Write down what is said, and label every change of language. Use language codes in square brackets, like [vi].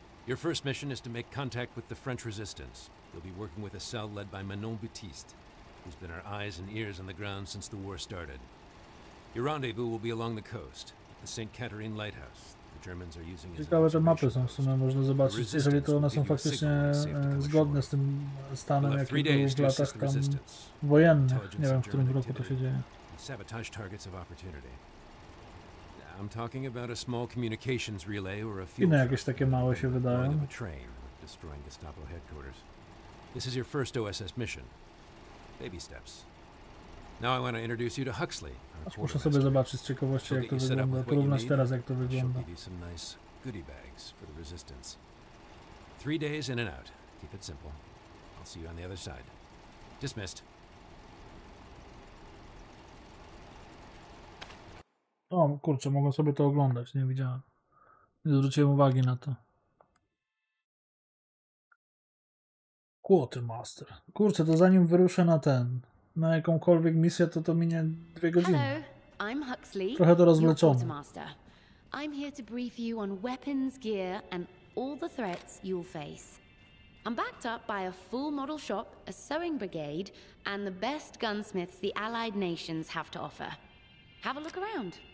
[en] Your first mission is to make contact with the French resistance. You'll be working with a cell led by Manon Baptiste, who's been our eyes and ears on the ground since the war started. Your rendezvous will be along the coast, at the St. Catherine Lighthouse. The Germans are using it. [pl] Ciekawe, że mapy są, w sumie można zobaczyć, jeżeli to one są faktycznie zgodne z tym stanem, jaki był w latach tam wojennych. Nie wiem, w którym roku to się dzieje. [en] Sabotage targets of opportunity. I'm talking about a small communications relay or a field truck. [pl] Jakieś takie małe się wydają. [en] Train destroying Gestapo headquarters. This is your first OSS mission. Baby steps. Now I want to introduce you to Huxley. [pl] Muszę sobie zobaczyć z ciekawości, jak to wygląda. Porównać teraz, jak to wygląda. [en] Give you some nice goodie bags for the resistance. 3 days in and out. Keep it simple. I'll see you on the other side. Dismissed. [pl] O, kurczę, mogę sobie to oglądać, nie widziałem. Nie zwróciłem uwagi na to. Quartermaster. Kurczę, to zanim wyruszę na ten, na jakąkolwiek misję, to minie 2 godziny. [en] Hello, I'm Huxley. [pl] Trochę to rozwleczone. [en] Quartermaster. I'm here to brief you on weapons, gear and all the threats you'll face. I'm backed up by a full model shop, a sewing brigade and the best gunsmiths the allied nations have to offer. Have a look around.